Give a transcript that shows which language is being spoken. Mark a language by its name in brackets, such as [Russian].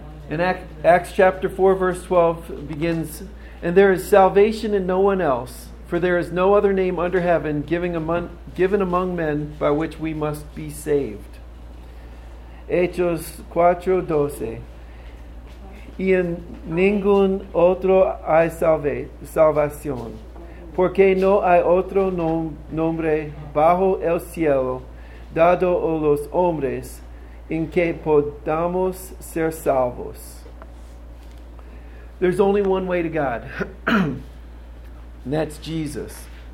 [English] And Acts chapter 4 verse 12 begins, "And there is salvation in no one else, for there is no other name under heaven given among men by which we must be saved." [Spanish] Hechos 4:12. "Y en ningún otro hay salvación, porque no hay otro nombre bajo el cielo dado a los hombres en que podamos ser salvos." [English] There's only one way to God, and that's Jesus.